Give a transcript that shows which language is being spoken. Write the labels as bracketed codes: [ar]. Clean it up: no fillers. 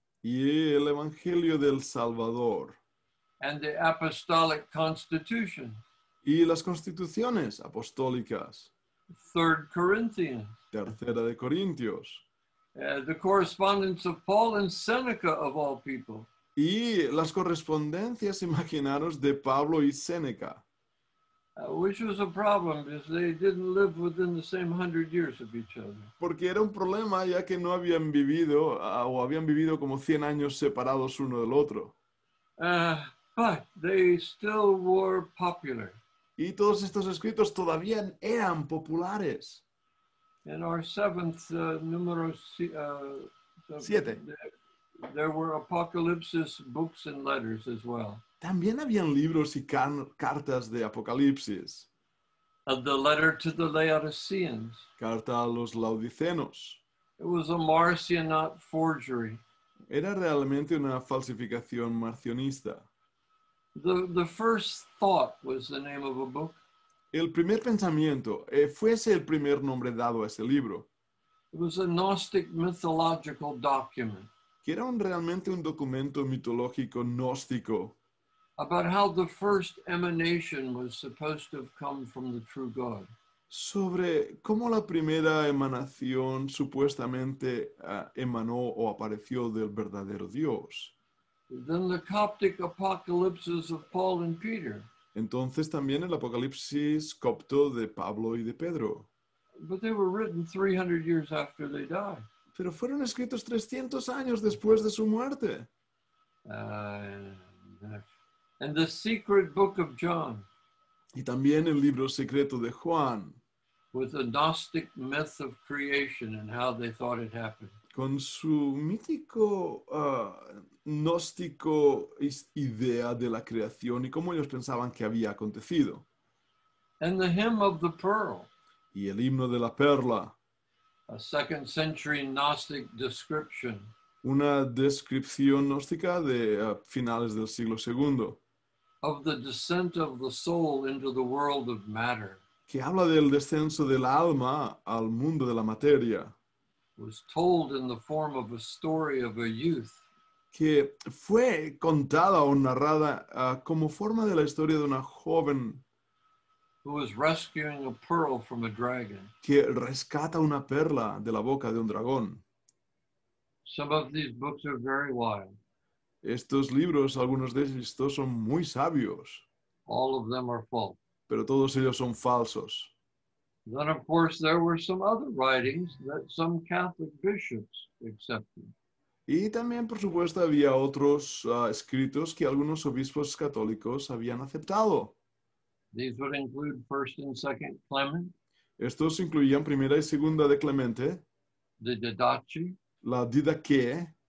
[es] Y el Evangelio del Salvador. [en] and the apostolic constitution. [es] Y las constituciones apostólicas. [en] Third Corinthians. [es] Tercera de Corintios. [en] The correspondence of Paul and Seneca, of all people. [es] Y las correspondencias, imaginaros, de Pablo y Seneca. [en] Which was a problem, because they didn't live within the same 100 years of each other. [es] Porque era un problema, ya que no habían vivido, o habían vivido como 100 años separados uno del otro. [en] But they still were popular. [es] Y todos estos escritos todavía eran populares. [en] In our seventh numero [es] siete. [en] There were apocalypsis books and letters as well. [es] También habían libros y cartas de Apocalipsis. [en] The letter to the Laodiceans. [es] Carta a los Laodicenos. [en] It was a Marcionite forgery. [es] Era realmente una falsificación marcionista. [en] The first thought was the name of a book. [es] El primer pensamiento fuese el primer nombre dado a ese libro. [en] It was a Gnostic mythological document. [es] Que era realmente un documento mitológico gnóstico. [en] About how the first emanation was supposed to have come from the true God. [es] Sobre cómo la primera emanación supuestamente emanó o apareció del verdadero Dios. [en] Then the Coptic apocalypses of Paul and Peter. [es] Entonces también el apocalipsis copto de Pablo y de Pedro. [en] But they were written 300 years after they died. [es] Pero fueron escritos 300 años después de su muerte. [en] And the secret book of John. [es] Y también el libro secreto de Juan. [en] With the Gnostic myth of creation and how they thought it happened. [es] Con su mítico gnóstico idea de la creación y cómo ellos pensaban que había acontecido. [en] And the hymn of the pearl. [es] Y el himno de la perla. [en] A second century Gnostic description. [es] Una descripción gnóstica de finales del siglo II. [en] Of the descent of the soul into the world of matter. [es] Que habla del descenso del alma al mundo de la materia. [en] Was told in the form of a story of a youth. [es] Que fue contada o narrada como forma de la historia de una joven. [en] Who was rescuing a pearl from a dragon. [es] Que rescata una perla de la boca de un dragón. [en] Some of these books are very wild. [es] Estos libros, algunos de estos, son muy sabios. [en] All of them are false. [es] Pero todos ellos son falsos. [en] Then, of course, there were some other writings that some Catholic bishops accepted. [es] Y también, por supuesto, había otros escritos que algunos obispos católicos habían aceptado. [en] These would include First and Second Clement. [es] Estos incluían Primera y Segunda de Clemente. [en] The Didache. [es] La Didache.